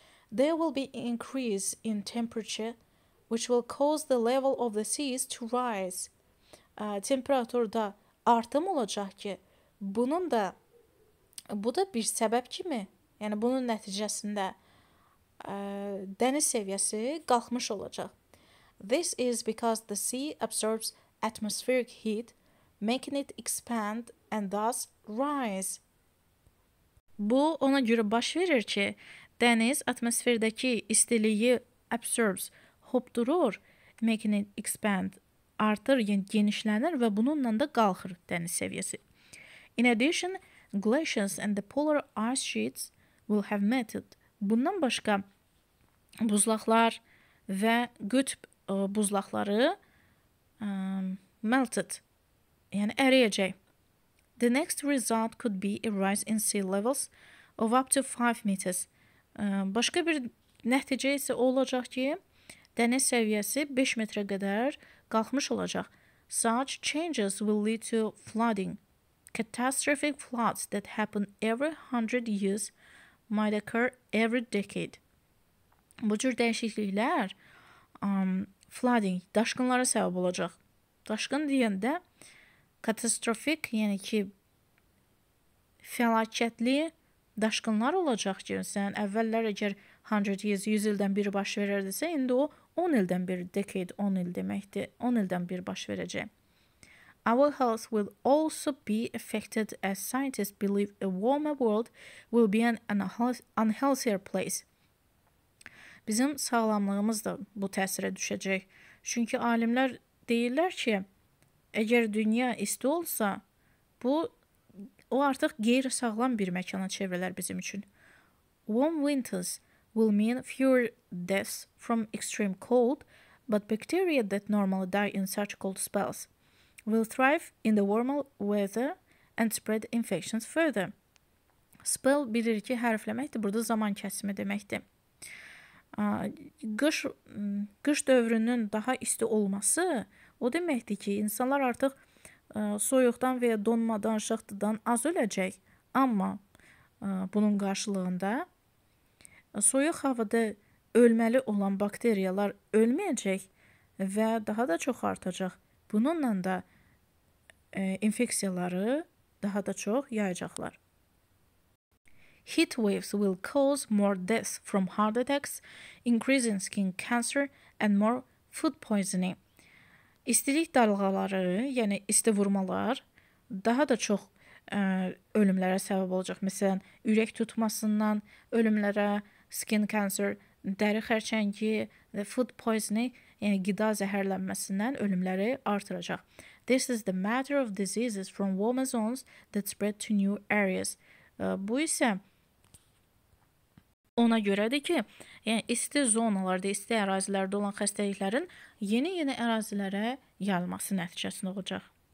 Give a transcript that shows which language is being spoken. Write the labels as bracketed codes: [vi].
[en] There will be increase in temperature, which will cause the level of the seas to rise. [az] Temperaturda artım olacaq ki, bunun da, bu da bir səbəb kimi, yəni bunun nəticəsində dəniz səviyyəsi qalxmış olacaq. [en] This is because the sea absorbs atmospheric heat, making it expand and thus rise. [az] Bu ona görə baş verir ki, dəniz atmosferdəki istiliyi absorbs, hopdurur, [en] making it expand, [az] artır, yəni genişlənir və bununla da qalxır dəniz səviyyəsi. [en] In addition, glaciers and the polar ice sheets will have melted. [az] Bundan başqa, buzlaqlar və qütb buzlaqları melted, yəni əriyəcək. [en] The next result could be a rise in sea levels of up to 5 meters. [az] Başqa bir nəticə isə olacaq ki, dəniz səviyyəsi 5 metrə qədər qalxmış olacaq. [en] Such changes will lead to flooding. Catastrophic floods that happen every 100 years might occur every decade. [az] Bu cür dəyişikliklər flooding, daşqınlara səbəb olacaq. Daşqın deyəndə catastrophic, yəni ki, fəlakətli daşqınlar olacaq ki, sən əvvəllər əgər 100 years, 100 ildən bir baş verirdisə, indi o 10 ildən bir, decade 10 il deməkdir, 10 ildən bir baş verəcək. [en] Our health will also be affected as scientists believe a warmer world will be an unhealthier place. [az] Bizim sağlamlığımız da bu təsirə düşəcək. Çünki alimlər deyirlər ki, əgər dünya isti olsa, bu o artıq qeyri-sağlam bir məkana çevrilər bizim üçün. [en] Warm winters will mean fewer deaths from extreme cold, but bacteria that normally die in such cold spells will thrive in the warmer weather and spread infections further. [az] Spell bilir ki, hərfləməkdir, burada zaman kəsimi deməkdir. Qış dövrünün daha isti olması o deməkdir ki, insanlar artıq soyuqdan və ya donmadan, şıxtıdan az öləcək. Amma bunun qarşılığında soyuq havada ölməli olan bakteriyalar ölməyəcək və daha da çox artacaq. Bununla da infeksiyaları daha da çox yayacaqlar. [en] Heat waves will cause more deaths from heart attacks, increasing skin cancer and more food poisoning. [az] İstilik dalğaları, yəni isti vurmalar daha da çox ölümlərə səbəb olacaq. Məsələn, ürək tutmasından ölümlərə, [en] skin cancer, [az] dəri xərçəngi, [en] the food poisoning, [az] yəni qida zəhərlənməsindən ölümləri artıracaq. [en] This is the matter of diseases from warmer zones that spread to new areas. [az] Bu isə ona görədir ki, yəni isti zonalarda, isti ərazilərdə olan xəstəliklərin yeni-yeni ərazilərə yayılması nəticəsində olacaq.